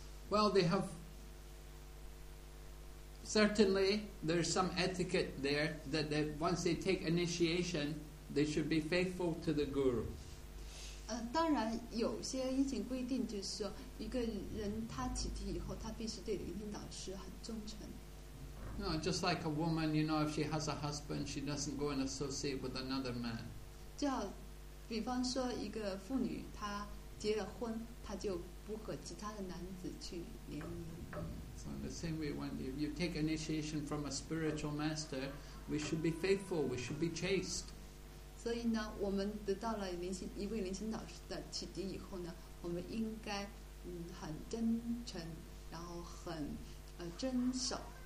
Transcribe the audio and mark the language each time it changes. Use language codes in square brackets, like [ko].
[en] Well, they have certainly there's some etiquette there that they, once they take initiation, they should be faithful to the guru. [zh] 当然有些一些规定就是说，一个人他起底以后，他必须对聆听导师很忠诚。 [en] No, just like a woman, you know, if she has a husband, she doesn't go and associate with another man. [zh] 比方说一个妇女她结了婚她就不和其他的男子去联谊 [en] So in the same way when you take initiation from a spiritual master we should be faithful we should be chaste [zh] 所以呢我们得到了一位灵性导师的启迪以后呢我们应该很真诚然后很遵守